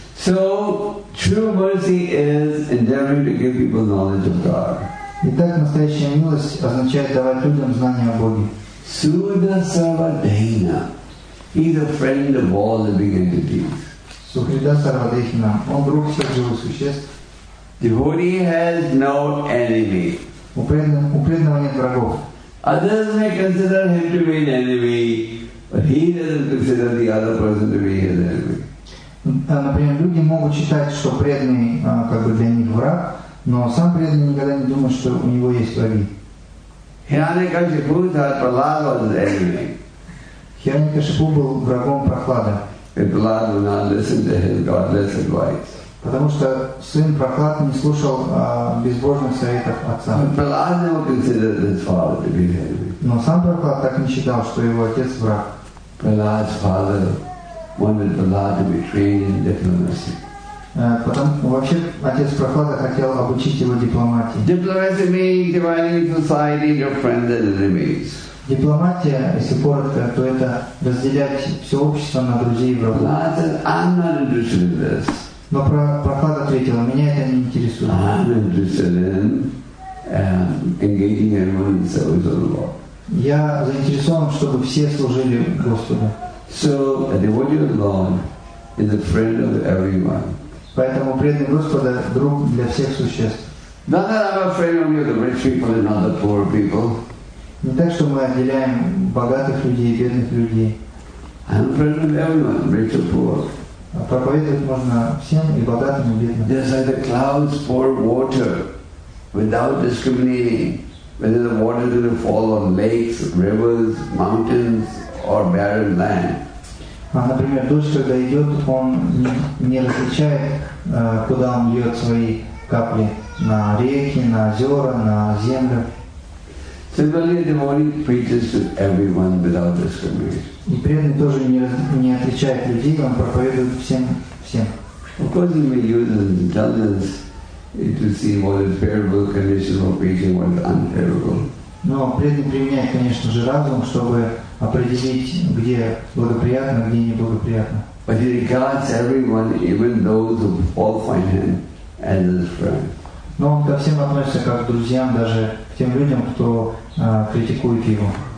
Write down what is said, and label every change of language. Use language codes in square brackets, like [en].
[en] So, true mercy is endeavoring to give people knowledge of God. [ru] Итак, настоящая милость означает давать людям знания о Боге. [en] Судасарвадхина, he's a friend of all living entities. [ru] Судасарвадхина, он друг всех живых существ. [en] Devotee has no enemy. [ru] У преданного нет врагов. [en] Others may consider him to be an enemy, but he doesn't consider the other person to be his enemy. [ru] Например, люди могут считать, что преданный как бы для них враг, но сам преданный никогда не думает, что у него есть враги. Хиранякашипу был врагом Прохлады. [en] Prahlad would not listen to his godless advice. [ru] Потому что сын Прохлад не слушал безбожных советов отца. [en] Prahlad never considered his father to be his enemy. [ru] Но сам Прохлад так не считал, что его отец враг. [en] Prahlad's father wanted Prahlad to be trained in diplomacy. [ru] Вообще отец Прохлада хотел обучить его дипломатии. [en] Diplomacy means dividing society into friends and enemies. [ru] Дипломатия, если коротко, то это разделять все общество на друзей и врагов. [en] Prahlad said, I'm not interested in this. [ru] Но Прохлад ответил, меня это не интересует. [en] I'm interested in engaging everyone in service of the Lord. [ru] Я заинтересован, чтобы все служили Господу. [en] So a devotee of the Lord is a friend of everyone. [ru] Поэтому преданный Господа друг для всех существ. [en] Not that I'm afraid only of the rich people and not the poor people. [ru] Не так, что мы отделяем богатых людей и бедных людей. [en] I'm a friend of everyone, rich or poor. [ru] Проповедовать можно всем, и богатым, и бедным. [en] Just like the clouds pour water without discriminating, whether the water will fall on lakes, rivers, mountains, or barren land. [ru] Например, дождь, когда идет, он не различает, куда он льет свои капли, на реки, на озера, на землю. [en] Similarly, the devotee preaches to everyone without discrimination. [ru] И преданный тоже не отличает людей, он проповедует всем. [en] Of course, he may use his intelligence to see what is favorable condition for preaching, what is unfavorable. [ru] Но преданный применяет, конечно же, разум, чтобы определить, где благоприятно, где неблагоприятно. [en] But he regards everyone, even those who all find him as his friend. [ru] Но он ко всем относится как к друзьям, даже к тем людям, кто критикует его.